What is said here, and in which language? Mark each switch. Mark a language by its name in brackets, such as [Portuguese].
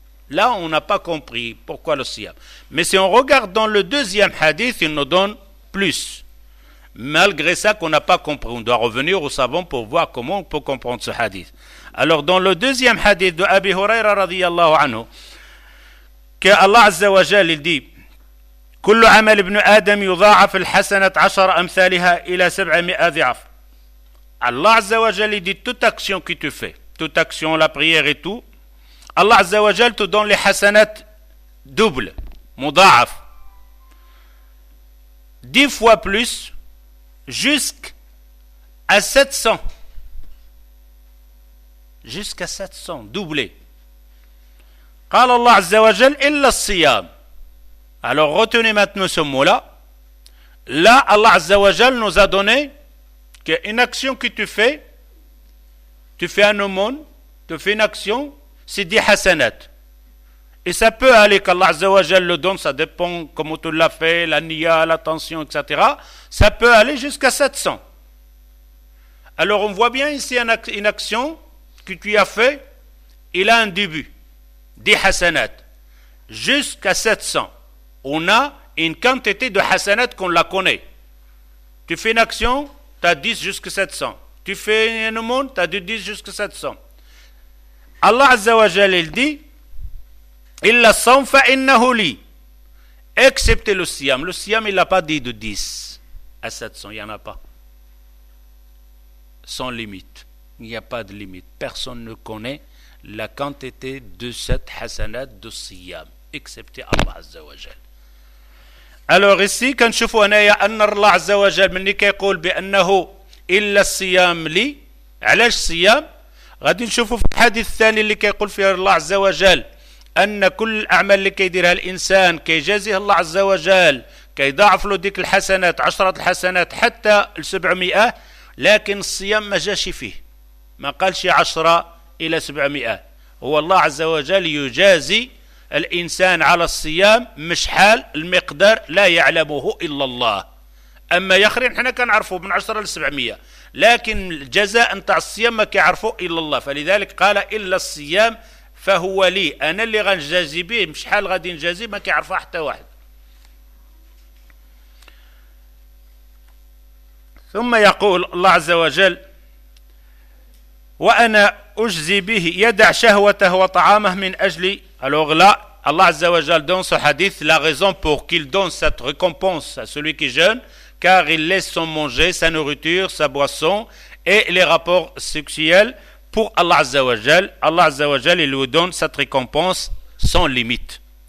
[French] Là, on n'a pas compris pourquoi le siyam. Mais si on regarde dans le deuxième hadith, il nous donne plus. Malgré ça qu'on n'a pas compris, on doit revenir au savant pour voir comment on peut comprendre ce hadith. Alors, dans le deuxième hadith de Abi Huraira radiyallahu anhu, [Arabic] كالله عز وجل دي كل عمل ابن آدم يضاعف الحسنة 10 أمثالها إلى 700 ضعف. [French] الله عز وجل دي toute action que tu fais, toute action, la prière et tout, الله عز وجل te donne les حسنات double, مضاعف 10 fois plus, jusqu'à 700. Jusqu'à 700, doublé. [Arabic] قال الله عز وجل إلا الصيام. [French] Alors retenez maintenant ce mot-là. Là, Allah عز وجل nous a donné qu'une action que tu fais un aumône, tu fais une action, c'est 10 hasanat. Et ça peut aller qu'Allah عز وجل le donne, ça dépend comment tu l'as fait, la niya, l'attention, etc. Ça peut aller jusqu'à 700. Alors on voit bien ici une action que tu as fait, il a un début, 10 hasanat, jusqu'à 700. On a une quantité de hasanat qu'on la connaît. Tu fais une action, tu as 10 jusqu'à 700. Tu fais un aumône, tu as de 10 jusqu'à 700. Allah Azza wa Jal, il dit, [Arabic] illa sam fa innahu li. [French] Excepté le siam. Le siam, il n'a pas dit de 10 à 700. Il n'y en a pas. Sans limite. Il n'y a pas de limite. Personne ne connaît la quantité de cette hasanat de siam. Excepté Allah Azza wa Jal. Alors ici, quand je vois Naya Annar Allah Azza wa Jal, mais qui dit bi annahu illa siyam li, [Arabic] علاش siyam, غادي نشوفوا في الحديث الثاني اللي كيقول فيه الله عز وجل ان كل اعمال اللي كيديرها الانسان كيجازيه الله عز وجل كيضاعف له ديك الحسنات 10 الحسنات حتى ل 700، لكن الصيام ما جاش فيه، ما قالش 10 الى 700. هو الله عز وجل يجازي الانسان على الصيام مش حال، المقدار لا يعلمه الا الله. اما ياخرين حنا كنعرفوا من 10 ل 700، لكن الجزاء نتاع الصيام ما كيعرفوا الا الله. فلذلك قال الا الصيام فهو لي، انا اللي غنجازي به، مش حال غادي نجازي ما كيعرفها حتى واحد. ثم يقول الله عز وجل وانا اجزي به يدع شهوته وطعامه من اجلي. [French] Alors là, Allah Azza wa Jal donne ce hadith, la raison pour qu'il donne cette récompense à celui qui jeûne, car il laisse son manger, sa nourriture, sa boisson et les rapports sexuels pour Allah Azza wa Jal. Allah Azza wa Jal, il lui donne cette récompense sans limite.